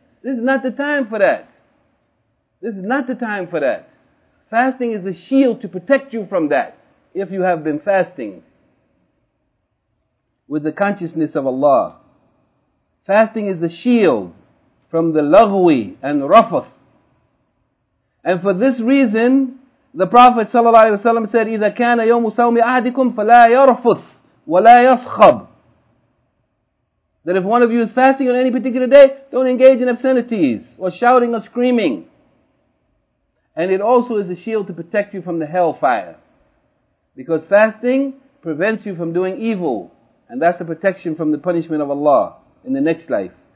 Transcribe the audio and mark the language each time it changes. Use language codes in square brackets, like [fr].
[en] This is not the time for that. This is not the time for that. Fasting is a shield to protect you from that. If you have been fasting with the consciousness of Allah. Fasting is a shield from the laghwi and rafath. And for this reason, the Prophet ﷺ said, [ar] إِذَا كَانَ يَوْمُ سَوْمِ أَحْدِكُمْ فَلَا يَرْفُثْ وَلَا يَصْخَبْ. [en] That if one of you is fasting on any particular day, don't engage in obscenities or shouting or screaming. And it also is a shield to protect you from the hellfire. Because fasting prevents you from doing evil. And that's a protection from the punishment of Allah in the next life.